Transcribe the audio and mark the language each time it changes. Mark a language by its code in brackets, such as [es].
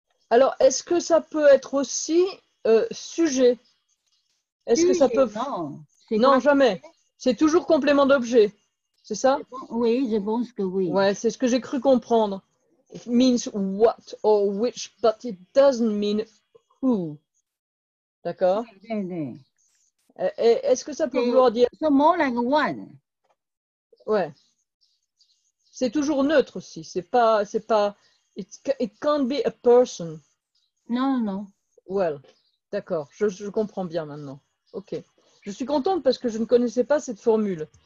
[fr] Alors, est-ce que ça peut être aussi sujet? Est-ce sujet, que ça peut? Non, c'est non jamais. C'est toujours complément d'objet. C'est ça? Oui, je pense que oui. Ouais, c'est ce que j'ai cru comprendre. [en] It means what or which, but it doesn't mean who. [fr] D'accord? Oui. Est-ce que ça peut vouloir dire... [en] So more like one. [fr] Ouais. C'est toujours neutre aussi. C'est pas... [en] It can't be a person. [fr] Non. Well, d'accord. Je comprends bien maintenant. Ok. Je suis contente parce que je ne connaissais pas cette formule.